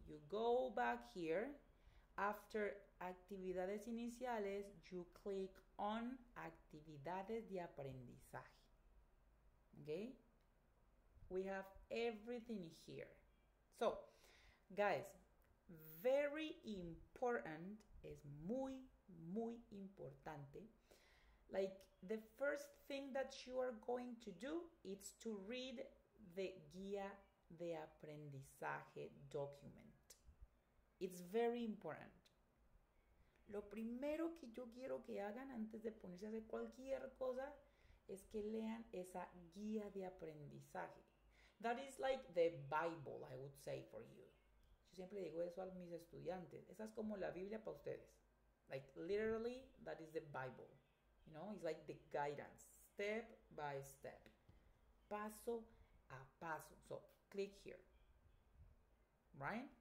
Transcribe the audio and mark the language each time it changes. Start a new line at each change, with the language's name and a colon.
English: You go back here. After actividades iniciales, you click on actividades de aprendizaje. Okay? We have everything here. So, guys, very important,
Spanish: es muy, muy importante.
English: Like, the first thing that you are going to do is to read the guía de aprendizaje document. It's very important.
Spanish: Lo primero que yo quiero que hagan antes de ponerse a hacer cualquier cosa es que lean esa guía de aprendizaje.
English: That is like the Bible, I would say, for you.
Spanish: Yo siempre digo eso a mis estudiantes. Esa es como la Biblia para ustedes.
English: Like, literally, that is the Bible. You know, it's like the guidance. Step by step.
Spanish: Paso a paso.
English: So, click here. Right?